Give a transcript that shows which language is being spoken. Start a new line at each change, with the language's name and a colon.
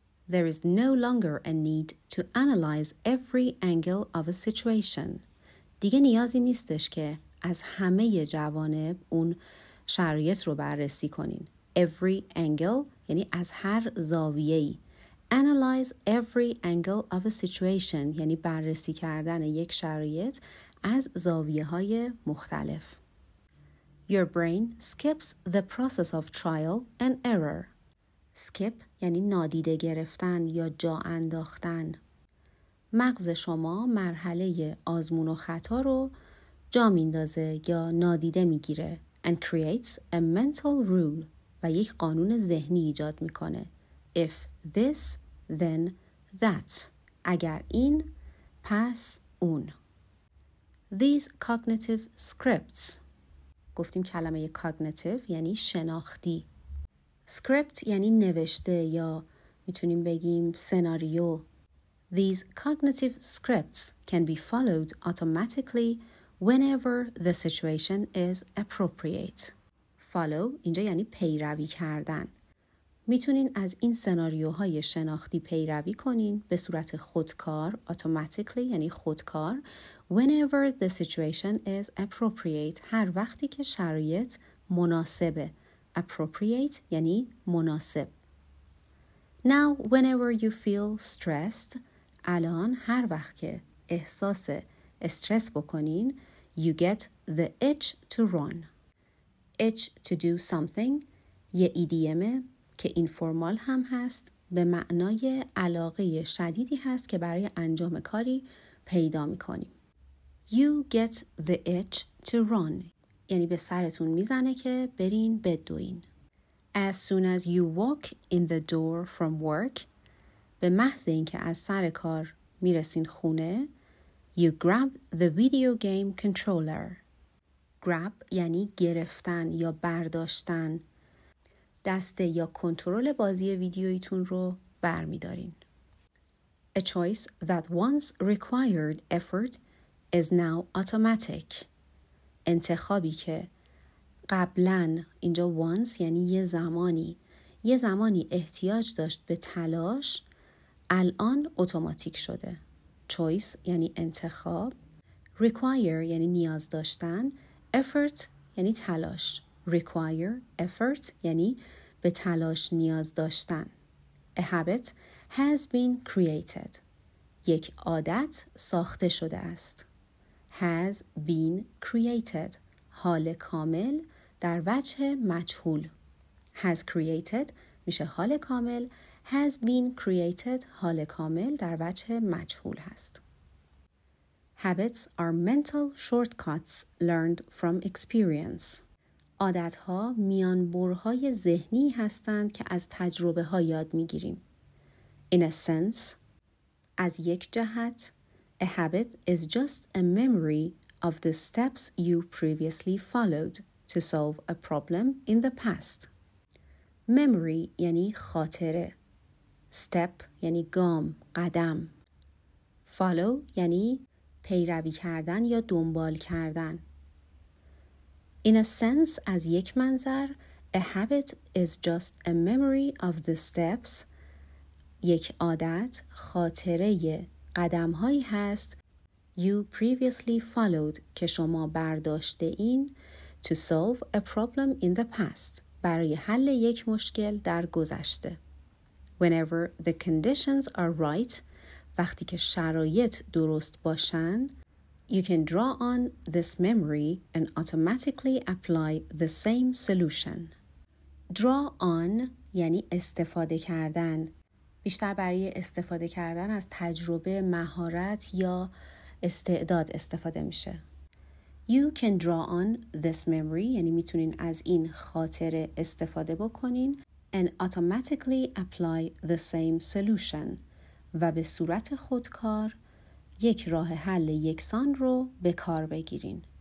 English: There is no longer a need to analyze every angle of a situation،
Persian: دیگه نیازی نیستش که از همه جوانب اون شرایط رو بررسی کنین.
English: Every angle
Persian: یعنی از هر زاویه‌ای.
English: Analyze every angle of a situation،
Persian: یعنی بررسی کردن یک شرایط از زاویه‌های مختلف.
English: Your brain skips the process of trial and error.
Persian: Skip یعنی نادیده گرفتن یا جا انداختن. مغز شما مرحله آزمون و خطا رو جا میندازه یا نادیده میگیره
English: and creates a mental rule
Persian: و یک قانون ذهنی ایجاد میکنه.
English: If this, then that.
Persian: اگر این، پس اون.
English: These cognitive scripts.
Persian: گفتیم کلمه cognitive یعنی شناختی. Script یعنی نوشته یا میتونیم بگیم سناریو.
English: These cognitive scripts can be followed automatically whenever the situation is appropriate.
Persian: Follow اینجا یعنی پیروی کردن. میتونین از این سناریوهای شناختی پیروی کنین به صورت خودکار automatically یعنی خودکار
English: whenever the situation is appropriate
Persian: هر وقتی که شرایط مناسبه. Appropriate یعنی مناسب.
English: Now whenever you feel stressed
Persian: الان هر وقت که احساس استرس بکنین
English: you get the itch to run. Itch to do something
Persian: یه ایدیمه که اینفورمال هم هست به معنای علاقه شدیدی هست که برای انجام کاری پیدا میکنیم.
English: You get the itch to run
Persian: یعنی به سرتون میزنه که برین بدوین.
English: As soon as you walk in the door from work
Persian: به محض اینکه از سر کار میرسین خونه
English: you grab the video game controller.
Persian: Grab یعنی گرفتن یا برداشتن دسته یا کنترل بازی ویدیویتون رو برمیدارین.
English: A choice that once required effort is now automatic.
Persian: انتخابی که قبلاً اینجا once یعنی یه زمانی احتیاج داشت به تلاش الان اتوماتیک شده. Choice یعنی انتخاب. Require یعنی نیاز داشتن. Effort یعنی تلاش.
English: Require effort
Persian: یعنی به تلاش نیاز داشتن.
English: A habit has been created.
Persian: یک عادت ساخته شده است.
English: Has been created.
Persian: حال کامل در وجه مجهول.
English: Has created
Persian: میشه حال کامل.
English: Has been created.
Persian: حال کامل در وجه مجهول هست.
English: Habits are mental shortcuts learned from experience.
Persian: عادتها میانبرهای ذهنی هستند که از تجربه ها یاد میگیریم.
English: In a sense,
Persian: از یک جهت،
English: A habit is just a memory of the steps you previously followed to solve a problem in the past.
Persian: Memory یعنی خاطره. Step یعنی گام، قدم. Follow یعنی پیروی کردن یا دنبال کردن.
English: In a sense,
Persian: از یک منظر,
English: a habit is just a memory of the steps.
Persian: یک عادت خاطره ی قدم هایی هست
English: you previously followed
Persian: که شما برداشته این
English: to solve a problem in the past
Persian: برای حل یک مشکل در گذشته.
English: Whenever the conditions are right
Persian: وقتی که شرایط درست باشن
English: you can draw on this memory and automatically apply the same solution.
Persian: Draw on یعنی استفاده کردن بیشتر برای استفاده کردن از تجربه، مهارت یا استعداد استفاده میشه.
English: You can draw on this memory
Persian: یعنی میتونین از این خاطره استفاده بکنین
English: and automatically apply the same solution
Persian: و به صورت خودکار یک راه حل یکسان رو به کار بگیرین.